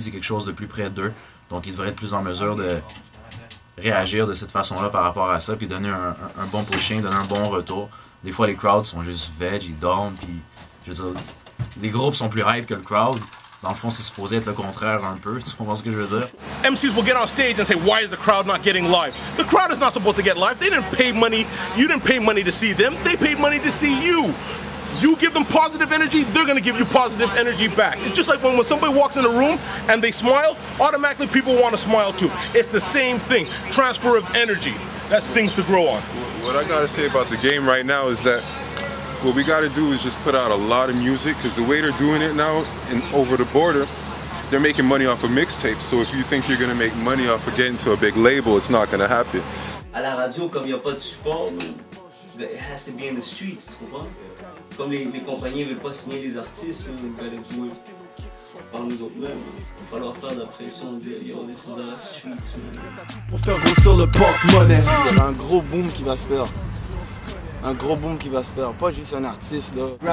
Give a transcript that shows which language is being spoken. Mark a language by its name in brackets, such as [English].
[French] C'est quelque chose de plus près d'eux. Donc, ils devraient être plus en mesure de réagir de cette façon-là par rapport à ça, puis donner un bon pushing, donner un bon retour. Des fois, les crowds sont juste veg, ils dorment, puis, je veux dire, les groupes sont plus hype que le crowd. Dans le fond, c'est supposé être le contraire un peu, tu comprends ce que je veux dire? [English] MCs will get on stage and say, why is the crowd not getting live? The crowd is not supposed to get live. They didn't pay money. You didn't pay money to see them. They paid money to see you. You give them positive energy, they're gonna give you positive energy back. It's just like when somebody walks in a room and they smile, automatically people want to smile too. It's the same thing, transfer of energy. That's things to grow on. What I gotta say about the game right now is that what we gotta do is just put out a lot of music, because the way they're doing it now and over the border, they're making money off of mixtapes. So if you think you're gonna make money off of getting to a big label, it's not gonna happen. [French] À la radio, comme y a pas de support, [English] it has to be in the streets, [French] tu comprends? Comme les compagnies ne veulent pas signer les artistes, ils veulent jouer par nous autres mêmes. Il va falloir faire de la pression, dire yo, on est dans la street. Pour faire grossir le porte-monnaie. Un gros boom qui va se faire. Un gros boom qui va se faire, pas juste un artiste là.